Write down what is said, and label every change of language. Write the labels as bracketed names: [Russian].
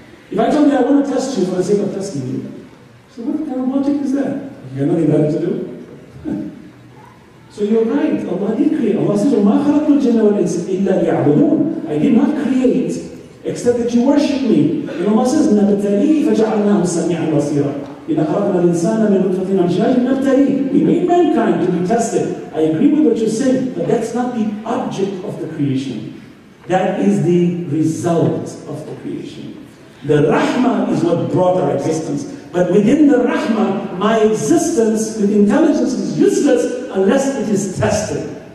[English] If I told you I want to test you for the sake of testing you, so what kind of logic is that? You have nothing better to do? So you're right, Allah did create. Allah says, [Arabic] وَمَا خَلَقْتُ الْجِنَّ وَالْإِنْسَ إِلَّا لِيَعْبُدُونَ. [English] I did not create, except that you worship me. And Allah says, [Arabic] نَبْتَلِي فَجَعَلْنَاهُ سَمِيعًا بَصِيرًا. إِنَّ خَلَقْنَا الْإِنسَانَ مِنْ نُطْفَةٍ أَمْشَاجٍ نَبْتَلِي. [English] We made mankind to be tested. I agree with what you're saying, but that's not the object of the creation. That is the result of the creation. The rahmah is what brought our existence. But within the rahmah, my existence with intelligence is useless unless it is tested.